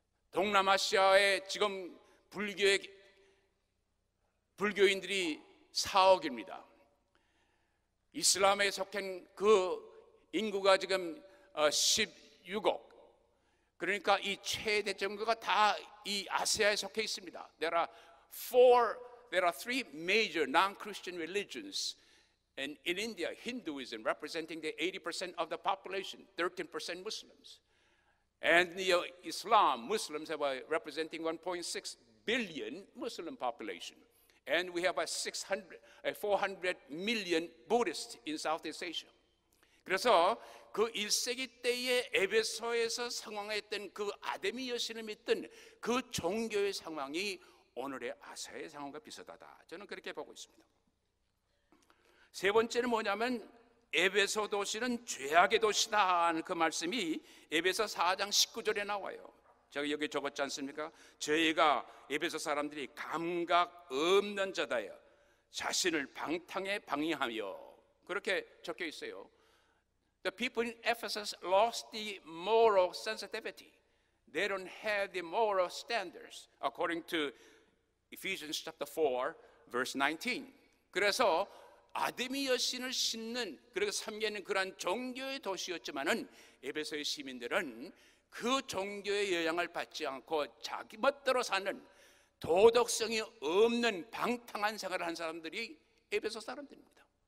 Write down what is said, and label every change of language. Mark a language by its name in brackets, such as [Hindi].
[Korean] 동남아시아의 지금 불교의 불교인들이 4억입니다. 이슬람에 속한 그 인구가 지금 16억. 그러니까 이 최대 정도가 다 이 아시아에 속해 있습니다. [English] There are three major non-Christian religions. And in India, Hinduism representing the 80% of the population, 13% Muslims. And Muslims have representing 1.6 billion Muslim population. And we have a 400 million Buddhists in Southeast Asia. [Korean] 그래서 그 1세기 때에 에베소에서 성황했던 그 아데미 여신을 믿던 그 종교의 상황이 오늘의 아세의 상황과 비슷하다. 저는 그렇게 보고 있습니다. 세 번째는 뭐냐면 에베소 도시는 죄악의 도시다 하는 그 말씀이 에베소 4장 19절에 나와요. 제가 여기 적었지 않습니까? 저희가 에베소 사람들이 감각 없는 자다요. 자신을 방탕에 방해하며 그렇게 적혀 있어요. [English] The people in Ephesus lost the moral sensitivity. They don't have the moral standards according to Ephesians chapter 4 verse 19. [Korean] 그래서 아데미 여신을 신는 그리고 섬기는 그런 종교의 도시였지만은 에베소의 시민들은 그 종교의 영향을 받지 않고 자기 멋대로 사는 도덕성이 없는 방탕한 생활을 한 사람들이 에베소 사람들입니다.